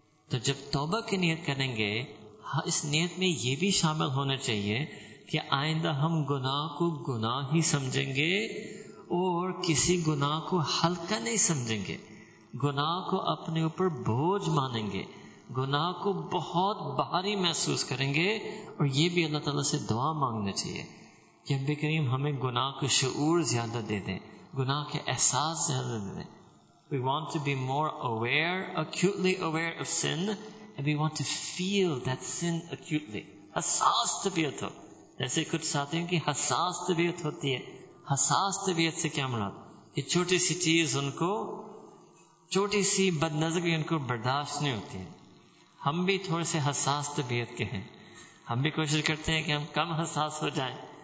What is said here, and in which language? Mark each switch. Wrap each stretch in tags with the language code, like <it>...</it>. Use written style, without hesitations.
<ur>تو جب توبہ کی نیت کریں گے, اس نیت میں یہ بھی شامل ہونا چاہیے کہ آئندہ ہم گناہ کو گناہ ہی سمجھیں گے اور کسی گناہ کو ہلکا نہیں سمجھیں گے, گناہ کو اپنے اوپر بوجھ مانیں گے, گناہ کو بہت بھاری محسوس کریں گے. اور یہ بھی اللہ تعالیٰ سے دعا مانگنا چاہیے کہ رب کریم ہمیں گناہ کا شعور زیادہ دے دیں, گناہ کے احساس زیادہ دے دیں.</ur> <en>We want to be more aware, acutely aware of sin, and we want to feel that sin acutely.</en> <ur>حساس طبیعت ہو, جیسے کچھ ساتھیوں کی حساس طبیعت ہوتی ہے. حساس طبیعت سے کیا مراد, یہ چھوٹی سی چیز ان کو, چھوٹی سی بد نظری ان کو برداشت نہیں ہوتی ہے. ہم بھی تھوڑے سے حساس طبیعت کے ہیں, ہم بھی کوشش کرتے ہیں کہ ہم کم حساس ہو جائیں.</ur>